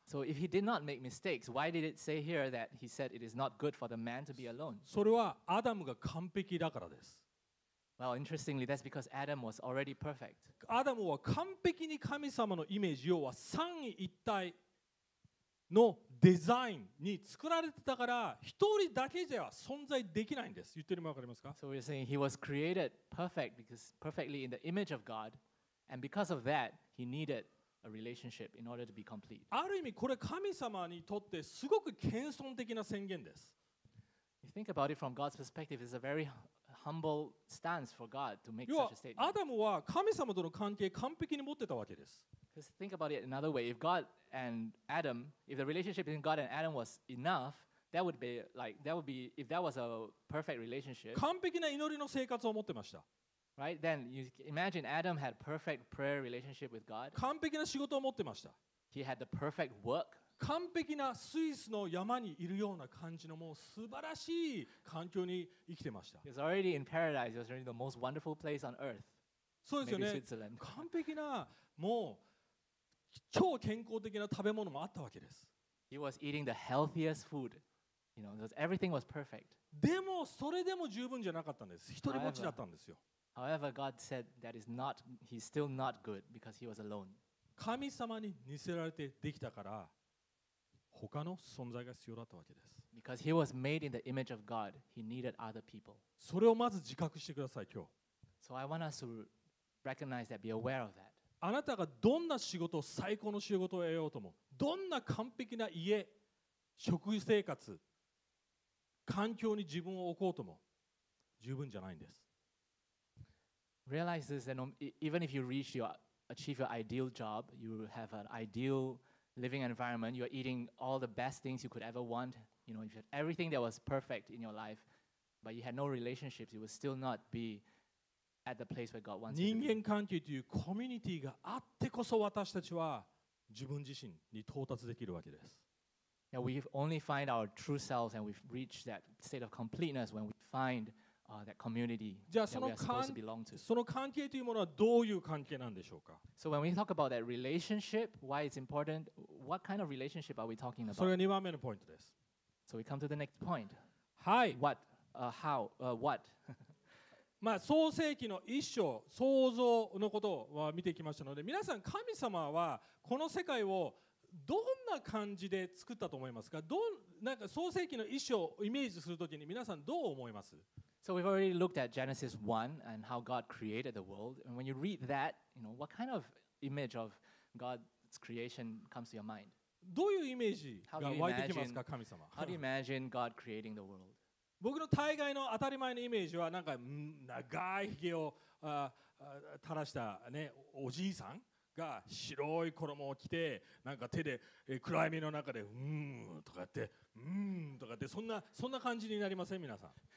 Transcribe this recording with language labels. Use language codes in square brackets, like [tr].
[en] So if he did not make mistakes, why did it say here that he said it is not good for the man to be alone? [ja] それはアダムが完璧だからです。 [en] Well, interestingly, that's because Adam was already perfect. [ja] アダムは完璧に神様のイメージ、要は三位一体。のデザインに作られてたから一人だけじゃ存在できないんです。言ってるのも分かりますか？ [en] So we're saying he was created perfect because perfectly in the image of God, and because of that, he needed a relationship in order to be complete. [ja] ある意味これ神様にとってすごく謙遜的な宣言です。 [en] You think about it from God's perspective, it's a very humble stance for God to make such a statement. [ja] 要はアダムは神様との関係完璧に持ってたわけです。 [en] Just think about it another way. If the relationship between God and Adam was enough, if that was a perfect relationship. [ja] 完璧な祈りの生活を持ってました。 [en] Right? Then you imagine Adam had perfect prayer relationship with God. [ja] 完璧な仕事を持ってました。 [en] He had the perfect work. [ja] 完璧なスイスの山にいるような感じのもう素晴らしい環境に生きてました。 [en] He was already in paradise. He was already the most wonderful place on earth. [ja] そうですよね。 [en] Maybe Switzerland. [ja] 完璧なもう超健康的な食べ物もあったわけです。 [en] He was eating the healthiest food. You know, everything was perfect. [ja] でもそれでも十分じゃなかったんです。一人ぼっちだったんですよ。 [en] However, God said that is not. He's still not good because he was alone. [ja] 神様に似せられてできたから他の存在が必要だったわけです。 [en] Because he was made in the image of God, he needed other people. [ja] それをまず自覚してください今日。 [en] So I want us to recognize that, be aware of that. [ja] あなたがどんな仕事を最高の仕事を得ようとも、どんな完璧な家、食事生活、環境に自分を置こうとも、十分じゃないんです。 [en] Realize this, and even if you reach your achieve your ideal job, you have an ideal living environment. You are eating all the best things you could ever want. You know, if you had everything that was perfect in your life, but you had no relationships, you would still not be. At the place where God wants to be. [ja] 人間関係というコミュニティがあってこそ私たちは自分自身に到達できるわけです。 [en] Yeah, we only find our true selves and we reach that state of completeness when we find that community that we are supposed to belong to. [ja] その関係というものはどういう関係なんでしょうか。 [en] So when we talk about that relationship, why it's important, what kind of relationship are we talking about? [ja] それが2番目のポイントです。 [en] So we come to the next point. [ja] はい。 [en] What? How? What? [ja] まあ、創世記の一章創造のことを見てきましたので皆さん神様はこの世界をどんな感じで作ったと思いますか？なんか創世記の一章をイメージするときに皆さんどう思います？ [en] So we've already looked at Genesis 1 and how God created the world. And when you read that, you know, what kind of image of God's creation comes to your mind? [ja] どういうイメージが湧いてきますか、神様？ [en] How do you imagine God creating the world? [ja] 僕の大概の当たり前のイメージはなんか長いひげを垂らした、ね、おじいさんが白い衣を着てなんか手で暗闇の中でうーんとかやってうーんとかってそんな感じになりません、皆さん。